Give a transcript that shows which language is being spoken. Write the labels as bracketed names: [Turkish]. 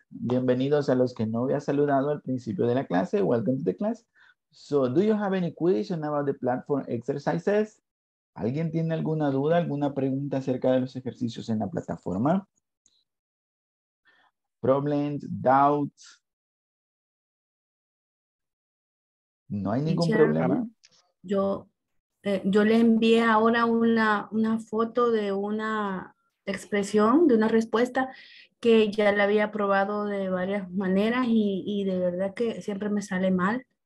[Spanish] Bienvenidos a los que no había saludado al principio de la clase. [English] Welcome to the class. So, do you have any question about the platform exercises? [Spanish] ¿Alguien tiene alguna duda, alguna pregunta acerca de los ejercicios en la plataforma? [English] Problems, doubts. [Spanish] No hay ningún problema. Yo le envié ahora una foto de una expresión, de una respuesta que ya la había probado de varias maneras y de verdad que siempre me sale mal.